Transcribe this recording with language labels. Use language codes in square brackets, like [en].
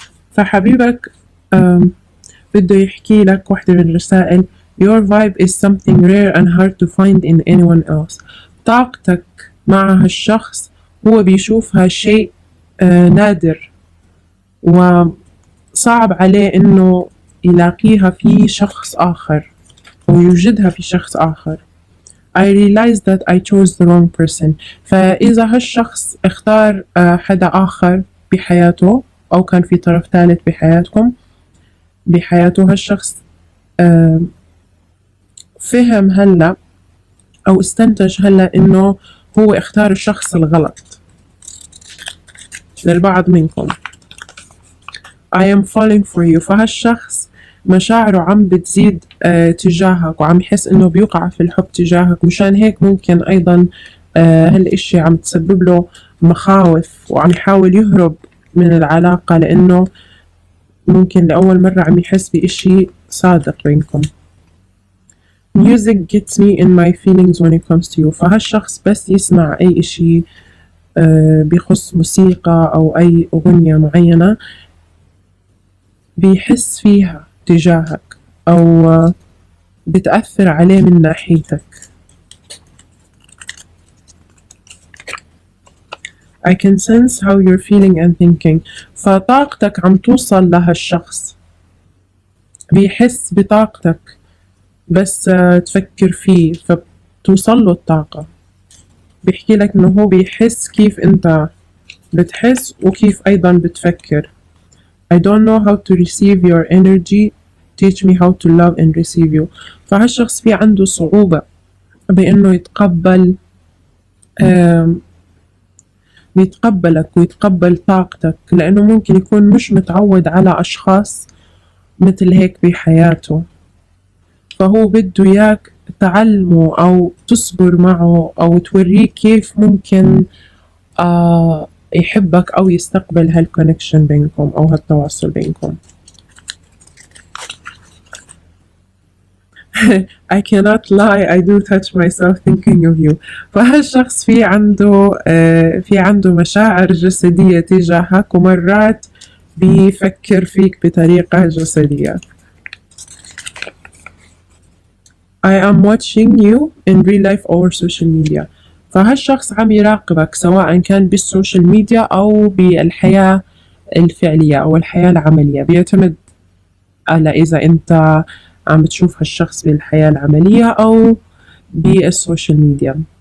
[ar] فحبيبك بده يحكي لك واحدة من الرسائل: [en] Your vibe is something rare and hard to find in anyone else. [ar] طاقتك مع هالشخص هو بيشوفها شيء نادر وصعب عليه انه يلاقيها في شخص آخر ويوجدها في شخص آخر. [en] I realized that I chose the wrong person. [ar] فإذا هالشخص اختار حدا آخر بحياته أو كان في طرف ثالث بحياتكم بحياته هالشخص، فهم هلأ أو استنتج هلأ إنه هو اختار الشخص الغلط للبعض منكم. [en] I am falling for you. [ar] فهالشخص مشاعره عم بتزيد تجاهك وعم يحس إنه بيقع في الحب تجاهك، مشان هيك ممكن أيضا هالإشي عم تسبب له مخاوف وعم يحاول يهرب من العلاقة، لأنه ممكن لأول مرة عم يحس بإشي صادق بينكم. [en] Music gets me in my feelings when it comes to you. [ar] فهالشخص بس يسمع أي إشي بيخص موسيقى أو أي أغنية معينة بيحس فيها تجاهك أو بتأثر عليه من ناحيتك. [en] I can sense how you're feeling and thinking. [ar] فطاقتك عم توصل لهالشخص، بيحس بطاقتك بس تفكر فيه فبتوصل له الطاقة. بيحكي لك انه هو بيحس كيف انت بتحس وكيف ايضا بتفكر. [en] I don't know how to receive your energy. Teach me how to love and receive you. [ar] فهالشخص في عنده صعوبة بانه يتقبل يتقبلك ويتقبل طاقتك، لانه ممكن يكون مش متعود على اشخاص مثل هيك بحياته، فهو بده اياك تعلمه او تصبر معه او توريه كيف ممكن يحبك او يستقبل هالكونكشن بينكم او هالتواصل بينكم. [en] I cannot lie, I do touch myself thinking of you. [ar] فهالشخص في عنده مشاعر جسدية تجاهك، ومرات بيفكر فيك بطريقة جسدية. [en] I am watching you in real life over social media. [ar] فهالشخص عم يراقبك سواء كان بالسوشيال ميديا أو بالحياة الفعلية أو الحياة العملية، بيعتمد على إذا أنت عم تشوف هالشخص بالحياة العملية أو بالسوشيال ميديا.